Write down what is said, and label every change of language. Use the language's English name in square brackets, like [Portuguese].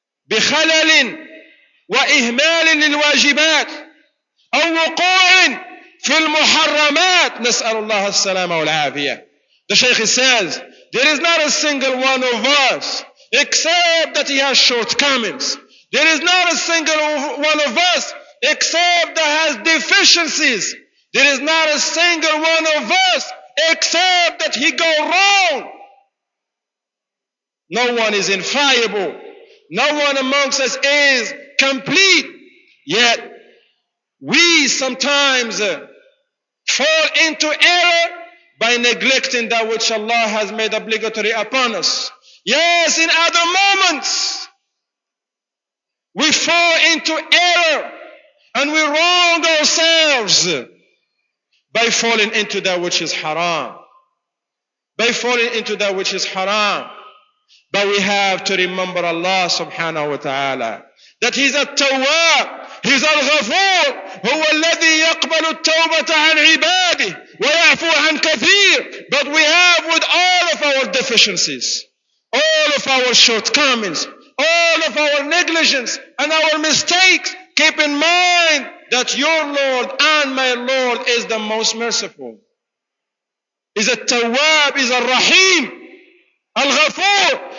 [Arabic] إِمَّا بِخَلَلٍ وَإِهْمَالٍ لِلْوَاجِبَاتِ أَوْ وُقُوعٍ في المحرمات نسأل الله السلامة والعافية. [English] The Shaykh says, there is not a single one of us except that he has shortcomings. There is not a single one of us except that has deficiencies. There is not a single one of us except that he go wrong. No one is infallible. No one amongst us is complete. Yet, we sometimes fall into error by neglecting that which Allah has made obligatory upon us. Yes, in other moments, we fall into error and we wrong ourselves by falling into that which is haram. By falling into that which is haram. But we have to remember Allah subhanahu wa ta'ala that He's a Tawwab. He's al-Ghafoor, [Arabic] هو الذي يقبل التوبة عن عباده ويعفو عن كثير. [English] But we have with all of our deficiencies, all of our shortcomings, all of our negligence and our mistakes, keep in mind that your Lord and my Lord is the most merciful. Is a Tawwab, is a Rahim, al-Ghafoor.